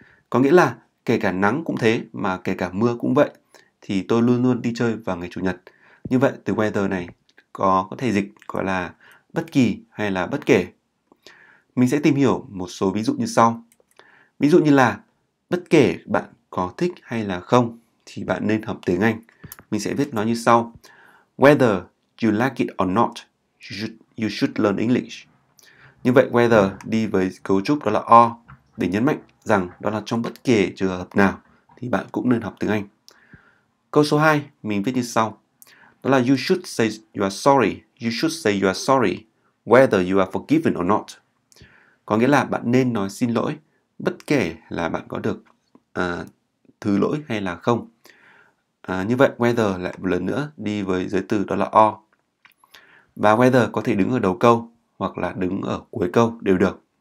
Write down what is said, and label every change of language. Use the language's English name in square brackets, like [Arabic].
[Vietnamese] Có nghĩa là kể cả nắng cũng thế mà kể cả mưa cũng vậy thì tôi luôn luôn đi chơi vào ngày Chủ nhật. Như vậy từ whether này có thể dịch gọi là bất kỳ hay là bất kể. Mình sẽ tìm hiểu một số ví dụ như sau. Ví dụ như là bất kể bạn có thích hay là không thì bạn nên học tiếng Anh. Mình sẽ viết nó như sau. [English] Whether you like it or not, you should learn English. [Vietnamese] Như vậy whether đi với cấu trúc đó là or để nhấn mạnh rằng đó là trong bất kể trường hợp nào thì bạn cũng nên học tiếng Anh. Câu số 2 mình viết như sau. Đó là [English] you should say you are sorry whether you are forgiven or not. [Vietnamese] Có nghĩa là bạn nên nói xin lỗi bất kể là bạn có được thứ lỗi hay là không. Như vậy whether lại một lần nữa đi với giới từ đó là or. Và whether có thể đứng ở đầu câu hoặc là đứng ở cuối câu đều được.